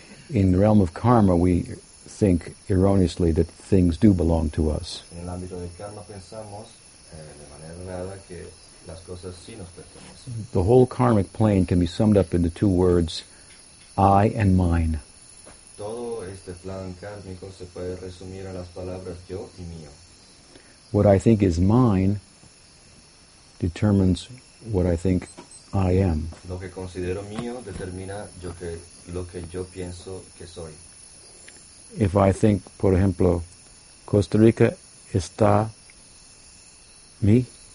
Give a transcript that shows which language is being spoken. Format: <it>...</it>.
<en>In the realm of karma, we think erroneously that things do belong to us.</en> <es>En el ámbito del karma pensamos de manera errada que las cosas sí nos pertenecen.</es> <en>The whole karmic plane can be summed up into two words, I and mine.</en> <es>Todo este plan kármico se puede resumir a las palabras yo y mío.</es> <en>What I think is mine determines what I think I am.</en> <es>Lo que considero mío determina lo que yo pienso que soy.</es> <en>If I think,</en> <es>por ejemplo, Costa Rica está mí,</es>